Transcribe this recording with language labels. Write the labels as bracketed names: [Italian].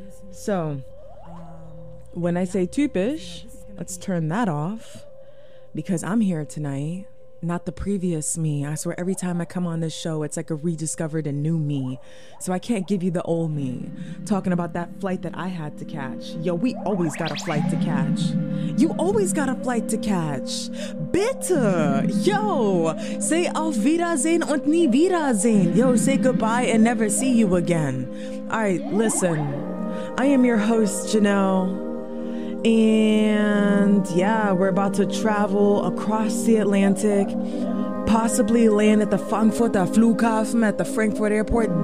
[English] So, when I say typisch, let's turn that off, because I'm here tonight, not the previous me. I swear every time I come on this show, it's like a rediscovered and new me. So I can't give you the old me, talking about that flight that I had to catch. Yo, we always got a flight to catch. You always got a flight to catch. [German] Bitte, yo, [English] say [German] auf Wiedersehen und nie Wiedersehen. [English] Yo, say goodbye and never see you again. All right, listen, I am your host, Janelle. And yeah, we're about to travel across the Atlantic, possibly land at the Frankfurter Flughafen at the Frankfurt Airport.